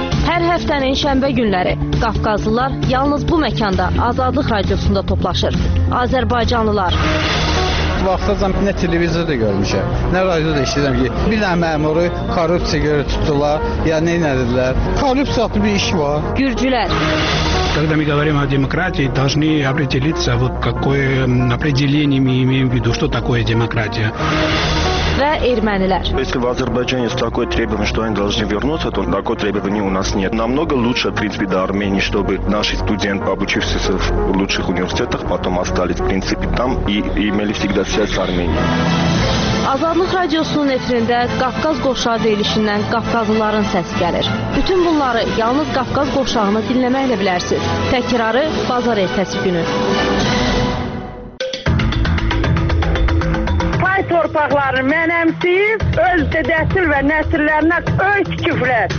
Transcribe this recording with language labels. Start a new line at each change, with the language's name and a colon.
Azerbaijani: Hər həftənin şənbə günləri Qafqazlılar yalnız bu məkanda Azadlıq Radiosunda toplaşır. Azərbaycanlılar. Vaxtacam nə televizor da görmüşəm, nə radio da işləyirəm ki, bir dənə məmuru korrupsiya görə tutdular, ya nə edirlər? Korrupsiya adlı bir iş var. Gürcülər.
Russian: Когда мы говорим о демократии, должны определиться, вот какое определение мы имеем в виду, что такое демократия.
Azerbaijani: Və ermənilər.
Russian: Если в Азербайджане есть такое требование, что они должны вернуться, то такое требование у нас нет. Намного лучше, в принципе, до Армении, чтобы наши студенты, обучившиеся в лучших университетах, потом остались, в принципе, там и имели всегда связь с Арменией.
Azerbaijani: Azadlıq Radiosunun efirində Qafqaz Qovşağı deyilişindən Qafqazlıların səsi gəlir. Bütün bunları yalnız Qafqaz Qovşağını dinləməklə bilərsiniz. Təkrarı bazar ertəsi günü. Pay torpaqları mənəmsiz, öz dedəsil və nəsillərinə öz küflər.